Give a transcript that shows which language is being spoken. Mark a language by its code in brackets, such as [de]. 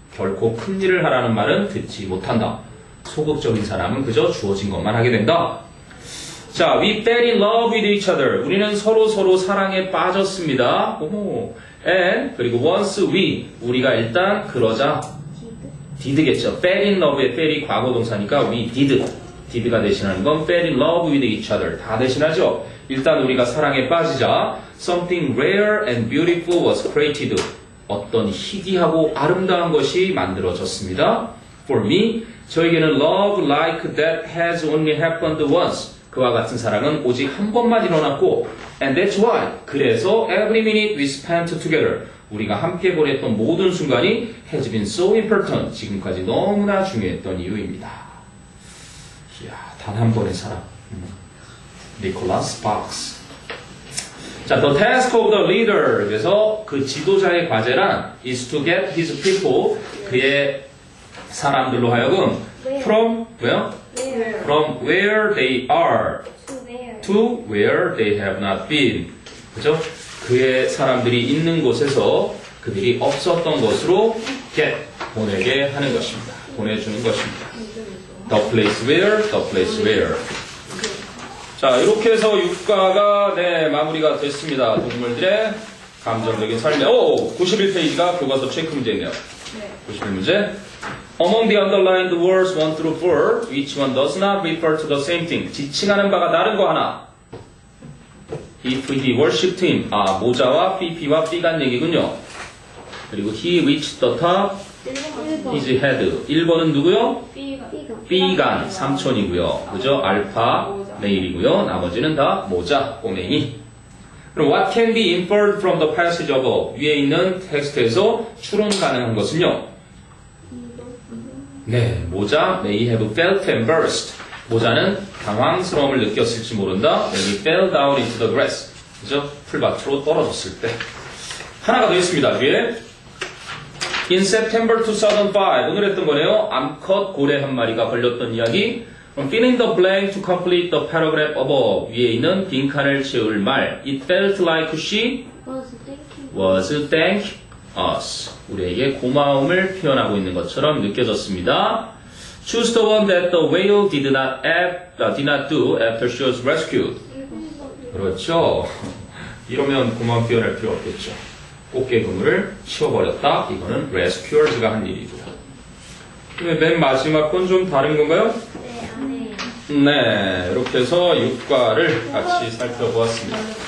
[ko] 결코 큰 일을 하라는 말은 듣지 못한다. 소극적인 사람은 그저 주어진 것만 하게 된다. [en] 자, we fell in love with each other. [ko] 우리는 서로 사랑에 빠졌습니다. 오모. [en] And, [ko] 그리고 [en] once we, [ko] 우리가 일단 그러자. Did겠죠. Fell in love의 fell이 과거 동사니까 [en] we did. [ko] did가 대신하는 건 [en] fell in love with each other. [ko] 다 대신하죠. 일단 우리가 사랑에 빠지자. [en] Something rare and beautiful was created. [ko] 어떤 희귀하고 아름다운 것이 만들어졌습니다. [en] For me, [ko] 저에게는 [en] love like that has only happened once. [ko] 그와 같은 사랑은 오직 한 번만 일어났고 [en] And that's why, [ko] 그래서 [en] every minute we spent together. [ko] 우리가 함께 보냈던 모든 순간이 [en] has been so important. [ko] 지금까지 너무나 중요했던 이유입니다. 이야, 단 한 번의 사랑. Nicholas Sparks. [en] 자, the task of the leader. [ko] 그래서 그 지도자의 과제란 [en] is to get his people, [ko] 그의 사람들로 하여금 [en] from where? From where they are to where they have not been. [ko] 그죠? 그의 사람들이 있는 곳에서 그들이 없었던 곳으로 get, 보내게 하는 것입니다. 보내주는 것입니다. [en] The place where, the place where. [ko] 자, 이렇게 해서 6과가 네, 마무리가 됐습니다. 동물들의 감정적인 삶에. 오! 91페이지가 교과서 체크 문제네요. 91문제. [en] Among the underlined words 1 through 4, which one does not refer to the same thing? [ko] 지칭하는 바가 다른 거 하나. [en] If he worshipped him. [ko] 아, 모자와 피피와 삐간 얘기군요. 그리고 [en] he reached the top. [ko] 1번. [en] His head. [ko] 1번은 누구요? 삐간. 삼촌이고요. 그죠? 알파 메일이고요. 나머지는 다 모자, 꼬맹이. 그럼 [en] what can be inferred from the passage above? [ko] 위에 있는 텍스트에서 추론 가능한 것은요? [en] 네, 모자 may have felt embarrassed. [ko] 모자는 당황스러움을 느꼈을지 모른다. [en] Maybe fell down into the grass. [ko] 그죠? 풀밭으로 떨어졌을 때. 하나가 더 있습니다. 위에 [en] In September 2005, [ko] 오늘 했던 거네요. 암컷 고래 한 마리가 걸렸던 이야기. [en] Fill in the blank to complete the paragraph above. [ko] 위에 있는 빈칸을 채울 말. [en] It felt like she was thanking us. [ko] 우리에게 고마움을 표현하고 있는 것처럼 느껴졌습니다. [en] Choose the one that the whale did not, did not do after she was rescued. [ko] 그렇죠. 이러면 고마움 표현할 필요 없겠죠. 꽃게금을 치워버렸다. 이거는 rescuers가 한 일이고요. 그러면 맨 마지막 건 좀 다른 건가요? 네, 네. 이렇게 해서 6과를 같이 살펴보았습니다.